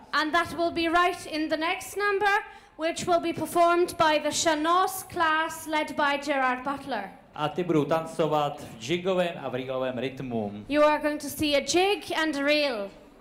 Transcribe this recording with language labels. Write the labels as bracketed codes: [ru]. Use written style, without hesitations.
[en] And that will be right in the next number, which will be performed by the Shanos class led by Gerard Butler. [cs] A ty budou tancovat v jigovém a v reelovém rytmu. [en] You are going to see a jig and a reel.